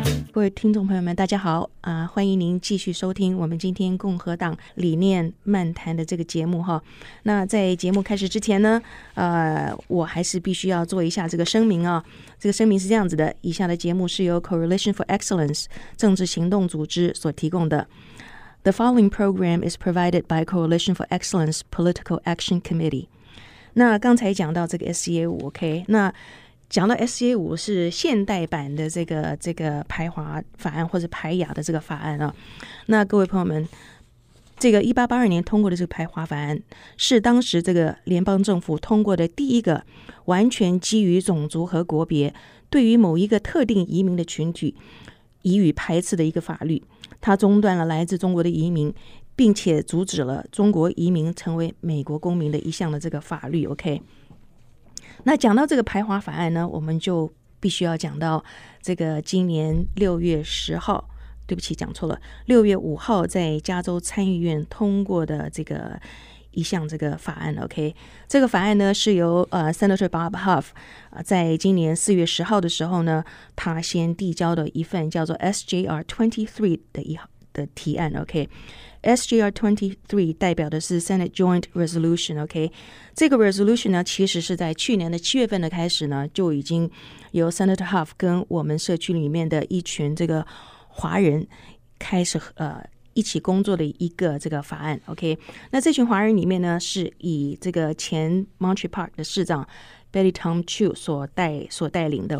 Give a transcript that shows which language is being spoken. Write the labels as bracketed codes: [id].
[zh] 各位听众朋友们大家好欢迎您继续收听我们今天共和党理念漫谈的这个节目哈。那在节目开始之前呢我还是必须要做一下这个声明啊。这个声明是这样子的，以下的节目是由 Coalition for Excellence 政治行动组织所提供的。 [en] The following program is provided by Coalition for Excellence Political Action Committee。 [zh] 那刚才讲到这个 SCA5 OK， 那讲到 SCA5 是现代版的这个排华法案或者排牙的这个法案啊。那各位朋友们这个1882年通过的这个排华法案是当时这个联邦政府通过的第一个完全基于种族和国别对于某一个特定移民的群体予以排斥的一个法律，它中断了来自中国的移民，并且阻止了中国移民成为美国公民的一项的这个法律。 OK， 那讲到这个排华法案呢，我们就必须要讲到这个今年6月10号，对不起讲错了，6月5号在加州参议院通过的这个一项这个法案。 OK， 这个法案呢是由Senator Bob Huff、在今年4月10号的时候呢，他先递交的一份叫做 SJR 23的提案。 OK， SJR 23代表的是 Senate Joint Resolution。 OK， 这个 resolution 呢其实是在去年的7月份的开始呢就已经由 Senator Huff 跟我们社区里面的一群这个华人开始一起工作的一个这个法案。 OK， 那这群华人里面呢是以这个前 Monterey Park 的市长 Betty Tom Chu 所带领的。